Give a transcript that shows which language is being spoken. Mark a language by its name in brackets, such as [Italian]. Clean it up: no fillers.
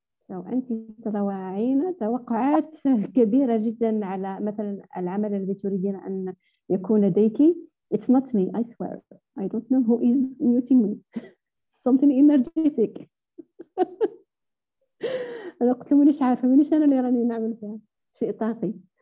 [Arabic] لو أنت تتوقعين توقعات كبيرة جدا على مثلا العمل الذي تريدين أن يكون لديك. [English] It's not me, I swear. I don't know who is muting me. Something energetic. [Arabic] أنا قلت مانيش عارفة مانيش أنا اللي راني نعمل فيها شيء طاقي.